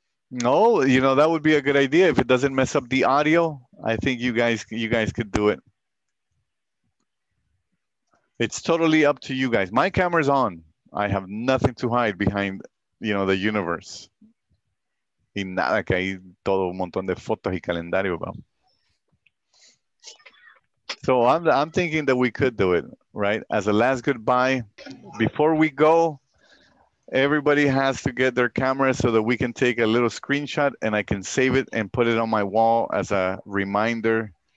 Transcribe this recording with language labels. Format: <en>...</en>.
<en>No, you know, that would be a good idea. If it doesn't mess up the audio, I think you guys could do it. It's totally up to you guys. My camera's on. I have nothing to hide behind, you know, the universe.</en> <es>Y nada, que hay todo un montón de fotos y calendario.</es> <en>Bro. So I'm thinking that we could do it, right? As a last goodbye, before we go, everybody has to get their camera so that we can take a little screenshot and I can save it and put it on my wall as a reminder.</en>